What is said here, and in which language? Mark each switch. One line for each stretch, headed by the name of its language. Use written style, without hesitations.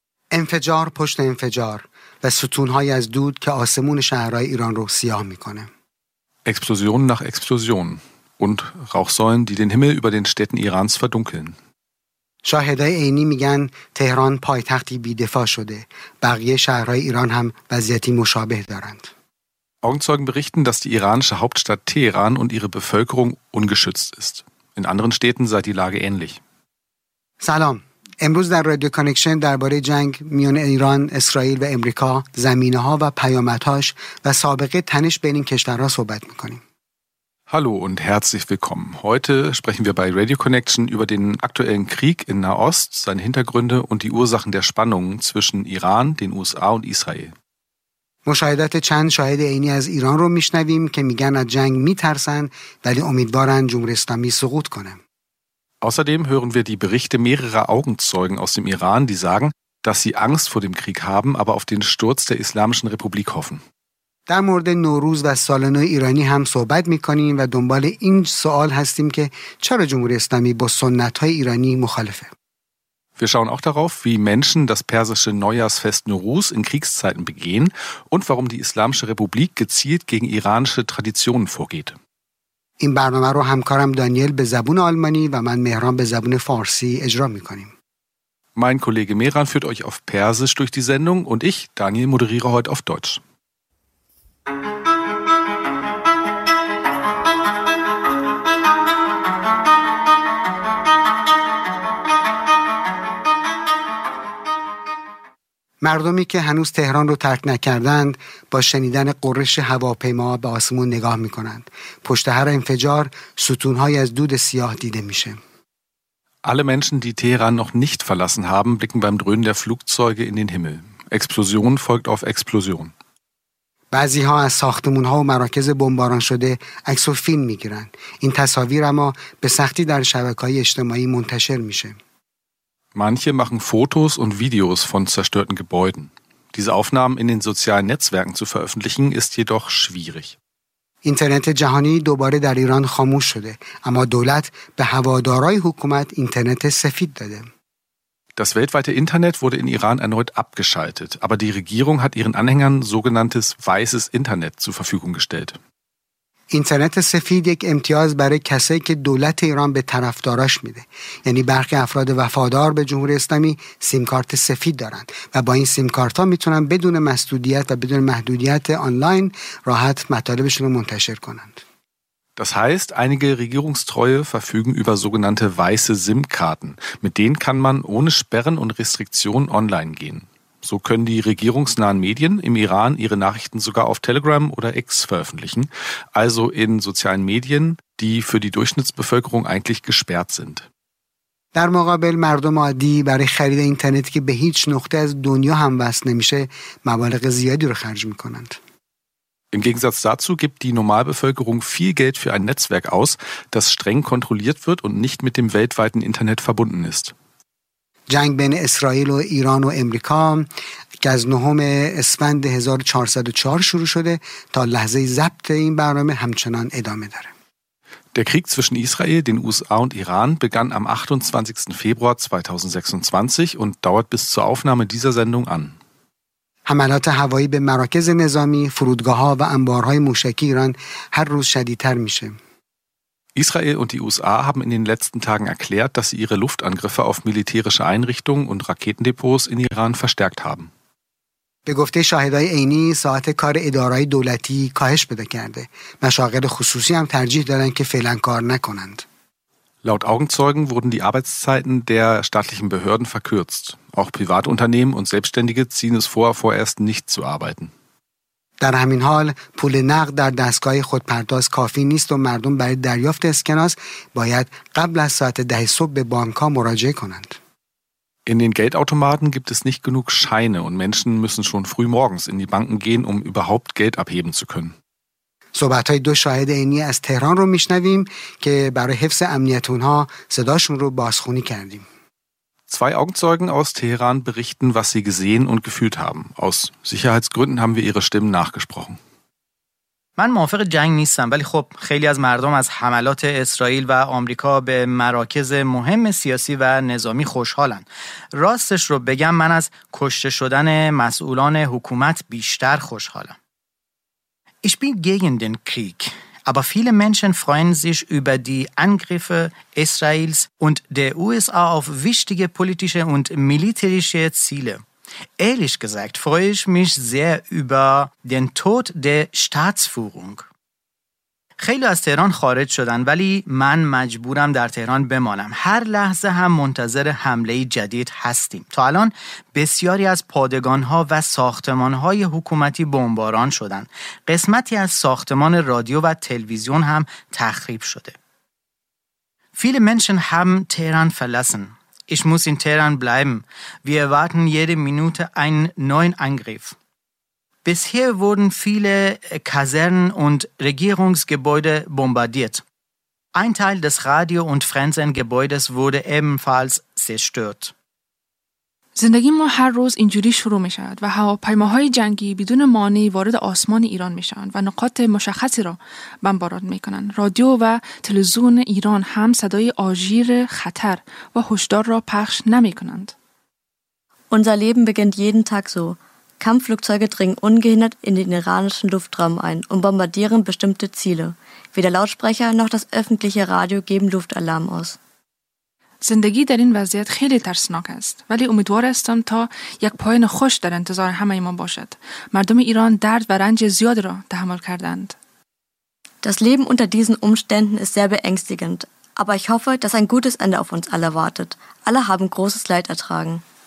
Persian: انفجار پشت انفجار و ستون‌های از دود که آسمون شهرهای ایران رو سیاه می‌کنه.
German: Explosion nach Explosion und Rauchsäulen, die den Himmel über den Städten Irans verdunkeln.
Persian: شاهدای عینی میگن تهران پایتختی بی‌دفاع شده. بقیه شهرهای ایران هم وضعیتی مشابه دارند.
German: Augenzeugen berichten, dass die iranische Hauptstadt Teheran und ihre Bevölkerung ungeschützt ist. In anderen Städten sei die Lage ähnlich.
Persian: سلام. امروز در رادیو کانکشن درباره جنگ میان ایران، اسرائیل و امریکا، زمینه‌ها و پیامدهاش و سابقه تنش بین این کشورها صحبت می‌کنیم.
German: Hallo und herzlich willkommen. Heute sprechen wir bei Radio Connection über den aktuellen Krieg in Nahost, seine Hintergründe und die Ursachen der Spannungen zwischen Iran, den USA und Israel.
Persian: مشاهدات چند شاهد عینی از ایران رو می‌شنویم که میگن از جنگ می‌ترسن ولی امیدوارن جمهوری اسلامی سقوط کنه.
German: Außerdem hören wir die Berichte mehrerer Augenzeugen aus dem Iran, die sagen, dass sie Angst vor dem Krieg haben, aber auf den Sturz der Islamischen Republik hoffen.
Persian: در مورد نوروز و سال نو ایرانی هم صحبت می‌کنیم و دنبال این سوال هستیم که چرا جمهوری اسلامی با سنت‌های ایرانی مخالفه.
German: Wir schauen auch darauf, wie Menschen das persische Neujahrsfest Nowruz in Kriegszeiten begehen und warum die Islamische Republik gezielt gegen iranische Traditionen vorgeht.
Persian: این برنامه رو همکارم دانیل به زبون آلمانی و من مهران به زبون فارسی اجرا می‌کنیم.
German: Mein Kollege Mehran führt euch auf Persisch durch die Sendung und ich, Daniel, moderiere heute auf Deutsch.
Persian: مردمی که هنوز تهران رو ترک نکردند با شنیدن قرش هواپیما به آسمون نگاه میکنند. پشت هر انفجار ستونهای از دود سیاه دیده میشه.
German: Alle Menschen, die Teheran noch nicht verlassen haben, blicken beim Dröhnen der Flugzeuge in den Himmel. Explosion folgt auf Explosion.
Persian: بعضی ها از ساختمون ها و مراکز بمباران شده عکس و فیلم میگیرند. این تصاویر اما به سختی در شبکه‌های اجتماعی منتشر میشه.
German: Manche machen Fotos und Videos von zerstörten Gebäuden. Diese Aufnahmen in den sozialen Netzwerken zu veröffentlichen, ist jedoch schwierig.
Persian: Internet جهانی دوباره در ایران خاموش شده، اما دولت به هوادارهای حکومت اینترنت سفید داده.
German: Das weltweite Internet wurde in Iran erneut abgeschaltet, aber die Regierung hat ihren Anhängern sogenanntes weißes Internet zur Verfügung gestellt.
Persian: اینترنت سفید یک امتیاز برای کسایی که دولت ایران به طرفداراش میده. یعنی برخی افراد وفادار به جمهوری اسلامی سیم کارت سفید دارند و با این سیم کارت ها میتونن بدون مسدودیت و بدون محدودیت آنلاین راحت مطالبشون رو منتشر کنند.
German: Das heißt, einige Regierungstreue verfügen über sogenannte weiße SIM-Karten, mit denen kann man ohne Sperren und Restriktionen online gehen. So können die regierungsnahen Medien im Iran ihre Nachrichten sogar auf Telegram oder X veröffentlichen, also in sozialen Medien, die für die Durchschnittsbevölkerung eigentlich gesperrt sind.
Persian: در مقابل مردم عادی برای خرید اینترنتی که به هیچ نقطه از دنیا هم وصل نمیشه مبالغ زیادی رو خرج میکنند.
German: Im Gegensatz dazu gibt die Normalbevölkerung viel Geld für ein Netzwerk aus, das streng kontrolliert wird und nicht mit dem weltweiten Internet verbunden ist.
Persian: جنگ بین اسرائیل و ایران و امریکا که از 9 اسفند 1404 شروع شده تا لحظه ضبط این برنامه همچنان ادامه داره.
German: Der Krieg zwischen Israel, den USA und Iran begann am 28. Februar 2026 und dauert bis zur Aufnahme dieser Sendung an.
Persian: حملات هوایی به مراکز نظامی، فرودگاه‌ها و انبارهای موشکی ایران هر روز شدیدتر میشه.
German: Israel und die USA haben in den letzten Tagen erklärt, dass sie ihre Luftangriffe auf militärische Einrichtungen und Raketendepots in Iran verstärkt haben.
Persian: به گفته شاهدای عینی ساعت کار ادارهای دولتی کاهش پیدا کرده. مشاغل خصوصی هم ترجیح دادن که فعلا کار نکنند.
German: Laut Augenzeugen wurden die Arbeitszeiten der staatlichen Behörden verkürzt. Auch Privatunternehmen und Selbstständige ziehen es vorerst nicht zu arbeiten.
Persian: در همین حال پول نقد در دستگاه خودپرداز کافی نیست و مردم برای دریافت اسکناس باید قبل از ساعت 10 صبح به بانک ها مراجعه کنند.
German: In den Geldautomaten gibt es nicht genug Scheine und Menschen müssen schon früh morgens in die Banken gehen, um überhaupt Geld abheben zu können.
Persian: صحبت های دو شاهد عینی از تهران رو میشنویم که برای حفظ امنیت اونها صداشون رو بازخونی کردیم.
German: Zwei Augenzeugen aus Teheran berichten, was sie gesehen und gefühlt haben. Aus Sicherheitsgründen haben wir ihre Stimmen nachgesprochen.
Persian: من موافق جنگ نیستم ولی خب خیلی از مردم از حملات اسرائیل و آمریکا به مراکز مهم سیاسی و نظامی خوشحالن. راستش رو بگم من از کشته شدن مسئولان حکومت بیشتر خوشحالم.
German: Ich bin gegen den Krieg, aber viele Menschen freuen sich über die Angriffe Israels und der USA auf wichtige politische und militärische Ziele. Ehrlich gesagt freue ich mich sehr über den Tod der Staatsführung.
Persian: خیلی از تهران خارج شدن ولی من مجبورم در تهران بمانم. هر لحظه هم منتظر حمله جدید هستیم. تا الان بسیاری از پادگان‌ها و ساختمان‌های حکومتی بمباران شدند. قسمتی از ساختمان رادیو و تلویزیون هم تخریب شده.
German: Viele Menschen haben Teheran verlassen. Ich muss in Teheran bleiben. Wir erwarten jede Minute einen neuen Angriff. Bisher wurden viele Kasernen und Regierungsgebäude bombardiert. Ein Teil des Radio- und Fernsehgebäudes wurde ebenfalls zerstört.
Persian: زندگی ما هر روز اینجوری شروع می شود و هواپیماهای جنگی بدون مانعی وارد آسمان ایران می شوند و نقاط مشخصی را بمباران می کنند. رادیو و تلویزیون ایران هم صدای آژیر خطر و هشدار را پخش نمی کنند.
German: Unser Leben beginnt jeden Tag so. Kampfflugzeuge dringen ungehindert in den iranischen Luftraum ein und bombardieren bestimmte Ziele. Weder Lautsprecher noch das öffentliche Radio geben Luftalarm aus.
Persian: زندگی در این وضعیت خیلی ترسناک است ولی امیدوار هستم تا یک پایان خوش در انتظار همه ما باشد. مردم ایران درد و رنج زیاد را تحمل کردند.
German: Das Leben unter diesen Umständen ist sehr beängstigend, aber ich hoffe, dass ein gutes Ende auf uns alle wartet. Alle haben großes Leid ertragen.